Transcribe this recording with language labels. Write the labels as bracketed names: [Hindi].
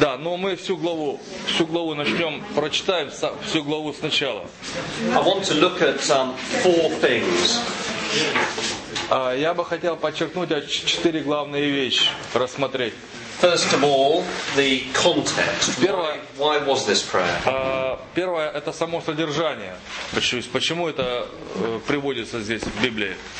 [Russian] Да, но мы всю главу начнем, прочитаем всю главу сначала. [English] I want to look at four things. [Russian] Я бы хотел подчеркнуть четыре главные вещи рассмотреть. [English] First of all, the context. Why was this prayer? [Russian] Первое это само содержание. Почему это приводится здесь в Библии?